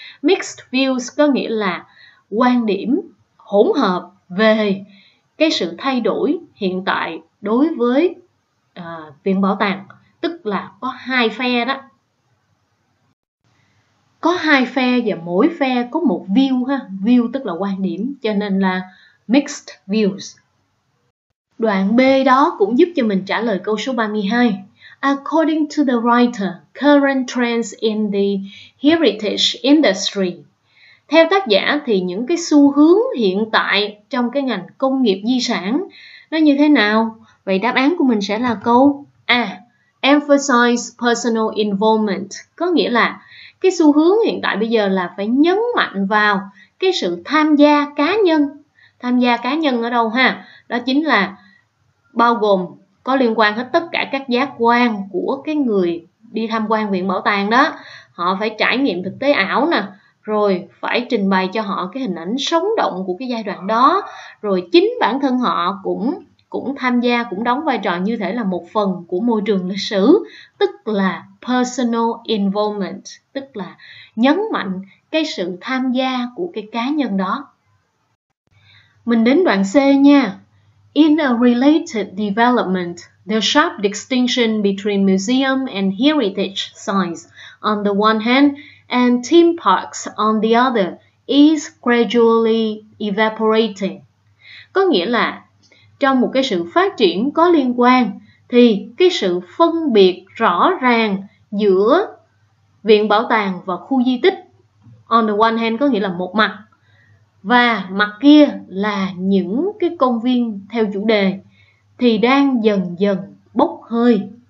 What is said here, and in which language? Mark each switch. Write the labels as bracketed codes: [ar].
[en] Mixed views [vi] có nghĩa là quan điểm hỗn hợp về cái sự thay đổi hiện tại đối với viện bảo tàng, tức là có hai phe đó. Có hai phe và mỗi phe có một view ha, view tức là quan điểm, cho nên là [en] mixed views. [vi] Đoạn B đó cũng giúp cho mình trả lời câu số 32. [en] According to the writer, current trends in the heritage industry. [vi] Theo tác giả thì những cái xu hướng hiện tại trong cái ngành công nghiệp di sản nó như thế nào? Vậy đáp án của mình sẽ là câu A. [en] Emphasize personal involvement. [vi] Có nghĩa là cái xu hướng hiện tại bây giờ là phải nhấn mạnh vào cái sự tham gia cá nhân. Tham gia cá nhân ở đâu ha? Đó chính là bao gồm có liên quan hết tất cả các giác quan của cái người đi tham quan viện bảo tàng đó. Họ phải trải nghiệm thực tế ảo nè, rồi phải trình bày cho họ cái hình ảnh sống động của cái giai đoạn đó, rồi chính bản thân họ cũng tham gia, cũng đóng vai trò như thể là một phần của môi trường lịch sử, tức là [en] personal involvement, [vi] tức là nhấn mạnh cái sự tham gia của cái cá nhân đó. Mình đến đoạn C nha. [en] In a related development, the sharp distinction between museum and heritage sites on the one hand and theme parks on the other is gradually evaporating. [vi] Có nghĩa là trong một cái sự phát triển có liên quan thì cái sự phân biệt rõ ràng giữa viện bảo tàng và khu di tích [en] on the one hand [vi] có nghĩa là một mặt, và mặt kia là những cái công viên theo chủ đề thì đang dần dần bốc hơi.